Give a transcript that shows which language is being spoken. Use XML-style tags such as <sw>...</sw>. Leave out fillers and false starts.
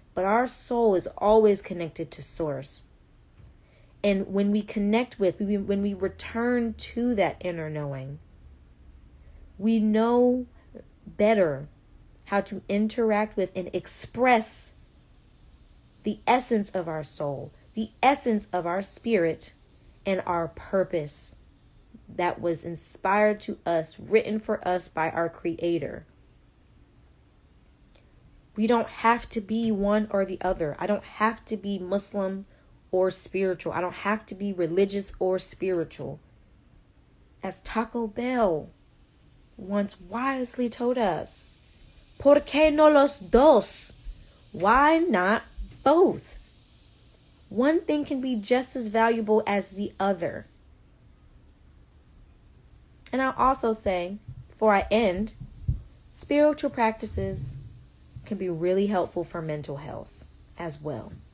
<en>But our soul is always connected to source. And when we connect with, when we return to that inner knowing, we know better how to interact with and express the essence of our soul, the essence of our spirit, and our purpose that was inspired to us, written for us by our creator. We don't have to be one or the other. I don't have to be Muslim or spiritual. I don't have to be religious or spiritual. As Taco Bell once wisely told us,</en> <es>¿por qué no los dos?</es> <en>Why not both? One thing can be just as valuable as the other. And I'll also say, before I end, spiritual practices can be really helpful for mental health as well.</en>